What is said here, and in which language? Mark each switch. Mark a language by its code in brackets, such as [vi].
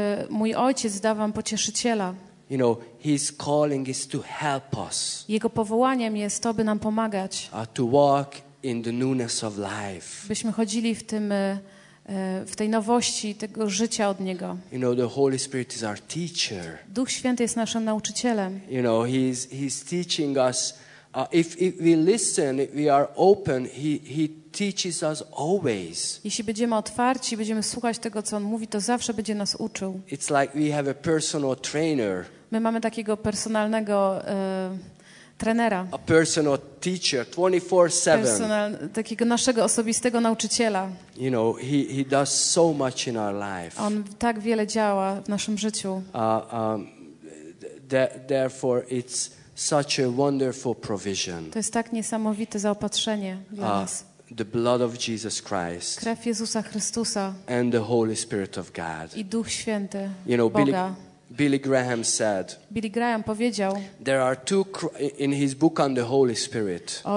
[pl] Mój ojciec da wam pocieszyciela. [en] You know, his calling is to help us. [pl] Jego powołaniem jest to, by nam pomagać. [en] To walk in the newness of life. [pl] Byśmy chodzili w tym w tej nowości tego życia od Niego. [en] You know, the Holy Spirit is our teacher. [pl] Duch Święty jest naszym nauczycielem. [en] You know, he's teaching us. If we listen, if we are open, he teaches us always. [pl] Jeśli będziemy otwarci, będziemy słuchać tego, co On mówi, to zawsze będzie nas uczył. [en] It's like we have a personal trainer. [pl] My mamy takiego personalnego trenera. [en] A personal teacher, 24/7. [pl] Takiego naszego osobistego nauczyciela. [en] You know, he does so much in our life. [pl] On tak wiele działa w naszym życiu. [en] Therefore, it's such a wonderful provision. [pl] To jest tak niesamowite zaopatrzenie dla nas. [en] The blood of Jesus Christ. [pl] Krew Jezusa Chrystusa. [en] And the Holy Spirit of God. [pl] I Duch Święty. [en] You know, [pl] Boga. [en] Billy Graham [pl] powiedział. [en] There are two in his book on the Holy Spirit.